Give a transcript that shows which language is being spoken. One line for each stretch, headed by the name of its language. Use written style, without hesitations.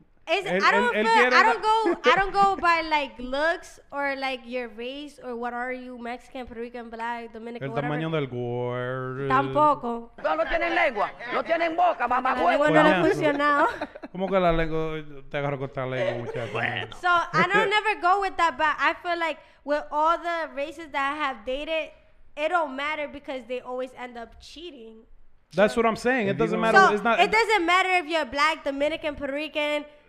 English: I don't go by like looks or like your race or what are you, Mexican, Puerto Rican, Black, Dominican,
Spanish: el tamaño Del gore. Tampoco. No, no tienen lengua, no tienen boca, mamá. La lengua no le ha funcionado. ¿Cómo que la lengua? Te agarro con esta lengua, muchacho. Bueno.
English: So, I don't never go with that, but I feel like with all the races that I have dated, it don't matter because they always end up cheating. That's what I'm saying. It doesn't matter. So it's not, it doesn't matter if you're Black, Dominican, Puerto Rican,